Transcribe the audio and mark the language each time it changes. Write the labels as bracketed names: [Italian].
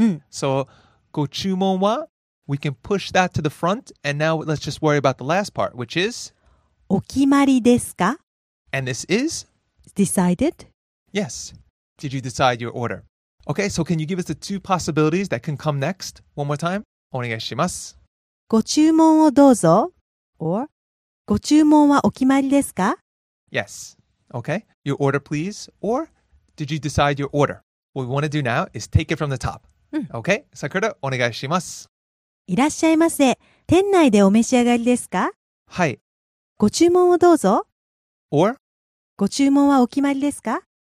[English] So, [Japanese] ご注文は、 [English] we can push that to the front. And now let's just worry about the last part, which is? [Japanese] お決まりですか? [English] And this is? Decided? Yes. Did you decide your order? Okay, so can you give us the two possibilities that can come next? One more time. [Japanese] お願いします。ご注文をどうぞ。 Or, ご注文はお決まりですか? [English] Yes. Okay. Your order, please. Or, did you decide your order? What we want to do now is take it from the top. Okay? Sakura, [Japanese] お願いします。いらっしゃいませ。店内でお召し上がりですか? はい。ご注文をどうぞ。 [English] Or, [Japanese] ご注文はお決まりですか?